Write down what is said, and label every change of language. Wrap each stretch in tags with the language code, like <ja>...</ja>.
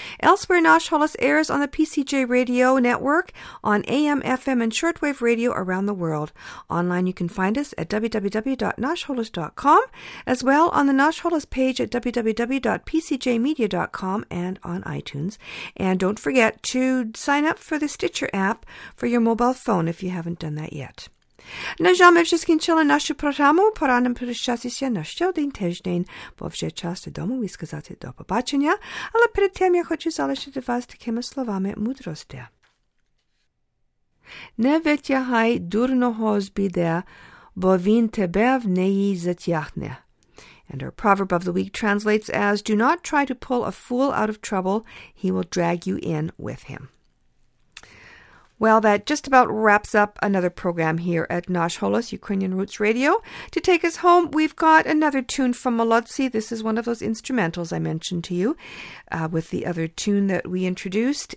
<en>Elsewhere, Nash Holos airs on the PCJ Radio Network, on AM, FM, and shortwave radio around the world. Online, you can find us at www.nashholos.com, as well on the Nash Holos page at www.pcjmedia.com and on iTunes. And don't forget to sign up for the Stitcher app for your mobile phone if you haven't done that yet.</en> <uk>На жаль, ми вже скінчили нашу програму. Пора нам прощатися на ще один тиждень, бо вже час додому і сказати до побачення. Але перед тим я хочу залишити вас такими словами мудрості. Не витягай дурного з біди, бо він тебе в неї затягне.</uk> <en>And our proverb of the week translates as, do not try to pull a fool out of trouble, he will drag you in with him. Well, that just about wraps up another program here at Nash Holos, Ukrainian Roots Radio. To take us home, we've got another tune from Molodsi. This is one of those instrumentals I mentioned to you with the other tune that we introduced.</en>